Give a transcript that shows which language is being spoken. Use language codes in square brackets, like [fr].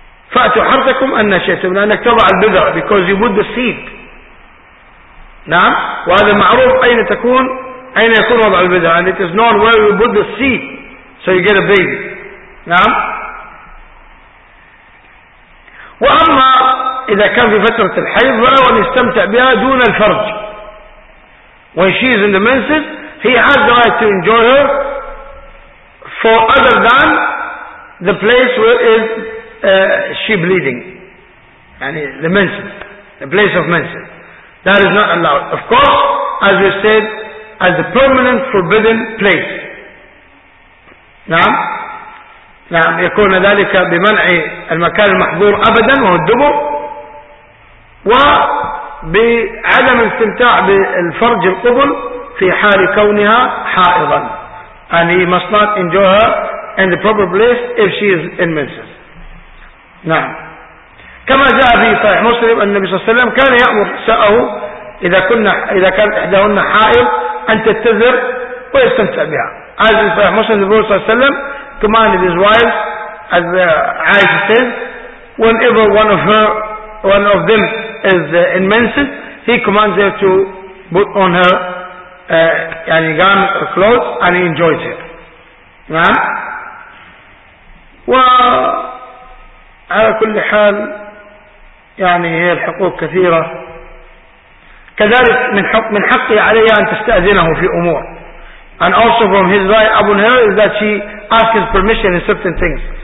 [ar] فأتوا حرثكم أن شئتم, لأنك تضع البذر, [en] because you put the seed. [ar] نعم. وهذا معروف أين تكون, أين يكون وضع البذرة, [en] and it is known where you put the seed so you get a baby. [ar] نعم. وأما إذا كان في فترة الحيض ولم يستمتع بها دون الفرج, [en] when she is in the menses, he has the right to enjoy her for other than the place where is she bleeding, يعني the menses, the place of menses. That is not allowed. Of course, as we said, as a permanent forbidden place. [ar] نعم. نعم. يكون ذلك بمنع المكان المحظور أبدا وهو الدبر, وبعدم الاستمتاع بالفرج القبل في حال كونها حائضا. [en] And he must not enjoy her in the proper place if she is in menses. [ar] نعم. كما جاء في صحيح مسلم أن النبي صلى الله عليه وسلم كان يأمر نساءه إذا كانت إحداهن حائض أن تتذر ويستمتع بها. [en] As in صحيح مسلم, the Prophet [ar] صلى الله عليه وسلم [en] commanded his wife, as Aisha says, whenever one of them is in menses, he commands her to put on her يعني garment or clothes, and he enjoys it. [ar] نعم. وعلى كل حال يعني هي الحقوق كثيرة. كذلك من حقي عليها أن تستأذنه في أمور. [en] And also from his right upon her is that she asks his permission in certain things.